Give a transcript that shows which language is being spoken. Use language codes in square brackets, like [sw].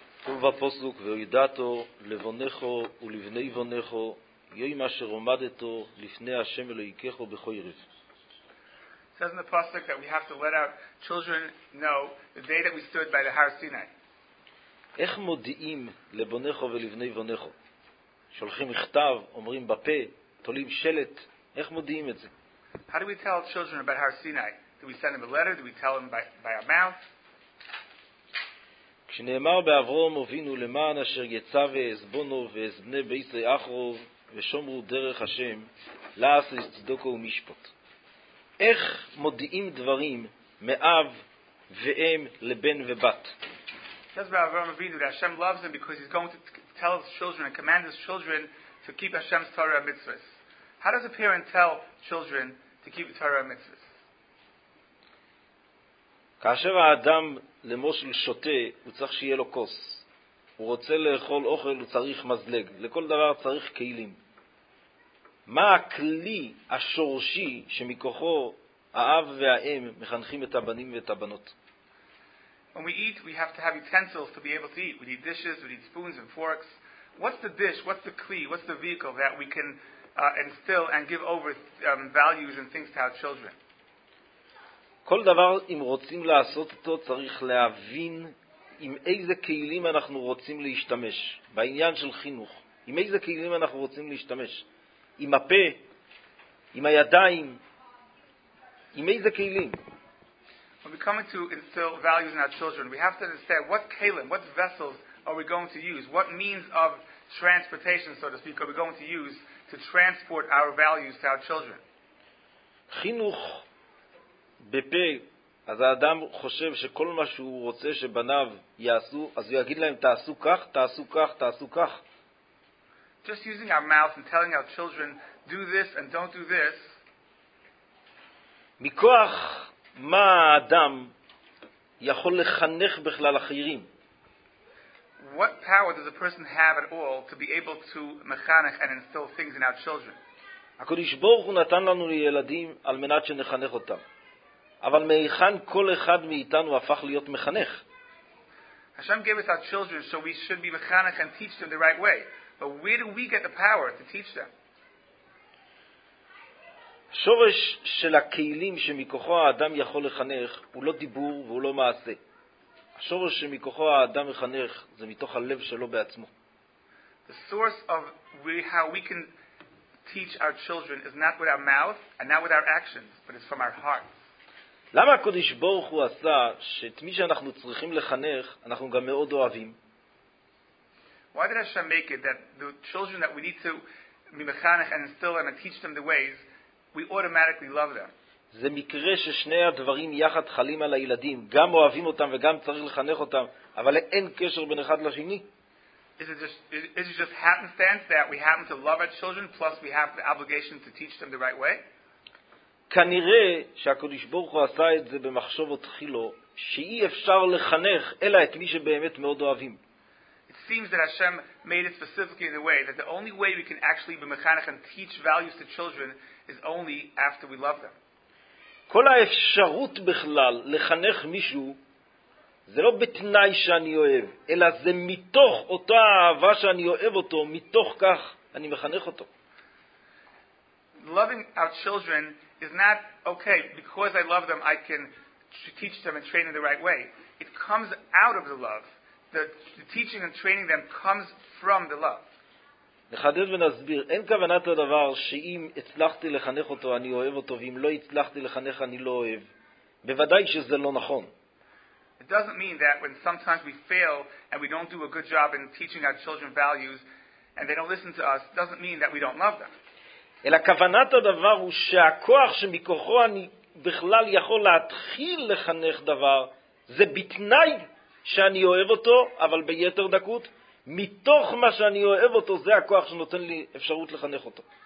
[he] כתוב בפסוק, וידעתו לבונכו ולבני בונכו, יום אשר עומדתו לפני השם אלוהיכו בחורף. [en] Says in the pasuk that we have to let our children know the day that we stood by the Har Sinai. [he] איך מודיעים לבונכו ולבני בונכו? שולחים מכתב, אומרים בפה, תולים שלט, איך מודיעים את זה? [en] How do we tell children about Har Sinai? Do we send them a letter? Do we tell them by our mouth? [he] כשנאמר באברהם הובינו למען אשר יצא ואזבונו ואזבני ביצרי אחרוב ושומרו דרך השם, לעס לצדוקו ומשפוט. איך מודיעים דברים מאב ואם לבן ובת? [en] Says by Avraham Avinu that Hashem loves him because he's going to tell his children and command his children to keep Hashem's Torah and Mitzvahs. How does a parent tell children to keep the Torah and Mitzvahs? [he] כאשר האדם למשל שותה, הוא צריך שיהיה לו כוס. הוא רוצה לאכול אוכל, הוא צריך מזלג. לכל דבר צריך כלים. מה הכלי השורשי שמכוחו האב והאם מחנכים את הבנים ואת הבנות? [en] When we eat, we have to have utensils to be able to eat. We need dishes, we need spoons and forks. What's the dish, what's the kli, what's the vehicle that we can instill and give over values and things to our children? [he] כל דבר, אם רוצים לעשות אותו, צריך להבין עם איזה כלים אנחנו רוצים להשתמש. בעניין של חינוך, עם איזה כלים אנחנו רוצים להשתמש? עם הפה, עם הידיים, עם איזה כלים? [en] When we come to instill values in our children, we have to understand what kelim, what vessels are we going to use? What means of transportation, so to speak, are we going to use to transport our values to our children? [he] חינוך בפה, אז האדם חושב שכל מה שהוא רוצה שבניו יעשו, אז הוא יגיד להם, תעשו כך, תעשו כך, תעשו כך. [en] Just using our mouth and telling our children, do this and don't do this. [he] מכוח מה האדם יכול לחנך בכלל אחרים? [en] What power does a person have at all to be able to mechanech and instill things in our children? [he] הקדוש ברוך הוא נתן לנו ילדים על מנת שנחנך אותם. אבל מהיכן כל אחד מאיתנו הפך להיות מחנך? [en] Hashem gave us our children so we should be mechanech and teach them the right way. But where do we get the power to teach them? [he] שורש של הכלים שמכוחו האדם יכול לחנך הוא לא דיבור והוא לא מעשה. השורש שמכוחו האדם מחנך זה מתוך הלב שלו בעצמו. [en] The source of how we can teach our children is not with our mouth and not with our actions, but it's from our heart. [he] למה הקדוש ברוך הוא עשה שאת מי שאנחנו צריכים לחנך אנחנו גם מאוד אוהבים? [en] Why did Hashem make it that the children that we need to be mechanech and instill them and teach them the ways, we automatically love them? [he] זה מקרה ששני הדברים יחד חלים על הילדים, גם אוהבים אותם וגם צריך לחנך אותם, אבל אין קשר בין אחד לשני. [en] Is it just happenstance that we happen to love our children plus we have the obligation to teach them the right way? [he] כנראה שהקדוש ברוך הוא עשה את זה במחשבו תחילו, שאי אפשר לחנך אלא את מי שבאמת מאוד אוהבים. [en] It seems that Hashem made it specifically in a way that the only way we can actually be mechanech and teach values to children is only after we love them. [he] כל האפשרות בכלל לחנך מישהו זה לא בתנאי שאני אוהב, אלא זה מתוך אותה אהבה שאני אוהב אותו, מתוך כך אני מחנך אותו. [en] Loving our children is not okay because I love them I can teach them and train them the right way. It comes out of the love. The teaching and training them comes from the love. [he] נחדד ונסביר, אין כוונת הדבר שאם הצלחתי לחנך אותו אני אוהב אותו ואם לא הצלחתי לחנך אני לא אוהב. בוודאי שזה לא נכון. [en] It doesn't mean that when sometimes we fail and we don't do a good job in teaching our children values and they don't listen to us, doesn't mean that we don't love them. [he] אלא כוונת הדבר הוא שהכוח שמכוחו אני בכלל יכול להתחיל לחנך דבר, זה בתנאי שאני אוהב אותו, אבל ביתר דקות, מתוך מה שאני אוהב אותו, זה הכוח שנותן לי אפשרות לחנך אותו.